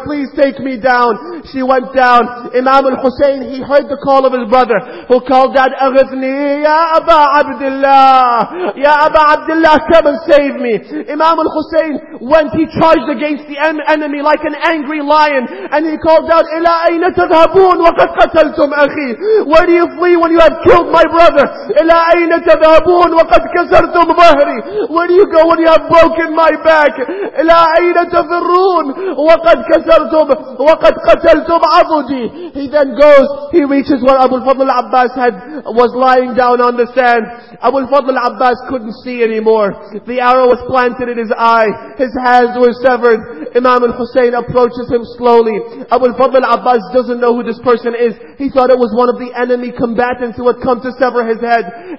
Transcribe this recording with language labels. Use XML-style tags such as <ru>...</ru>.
<en>Please take me down. She went down. Imam al-Hussein, he heard the call of his brother, who called out,</en> <ar>أغذني</ar> <en>Ya Aba Abdullah. Ya Aba Abdullah, come and save me. Imam al-Hussein went, he charged against the enemy like an angry lion. And he called out,</en> <ar>إلى أين تذهبون وقد قتلتم أخي.</ar> <en>Where do you flee when you have killed my brother?</en> <ar>إلى أين تذهبون وقد كسرتم ظهري.</ar> <en>Where do you go when you have broken my back?</en> <ar>إلى أين تفرون وقد كسرتم وقد قتلتم عضدي.</ar> <en>He then goes, he reaches where Abu al-Fadl al-Abbas was lying down on the sand. Abu al-Fadl al-Abbas couldn't see anymore. The arrow was planted in his eye. His hands were severed. Imam al-Hussein approaches him slowly. Abu al-Fadl al-Abbas doesn't know who this person is. He thought it was one of the enemy combatants who had come to sever his head.</en>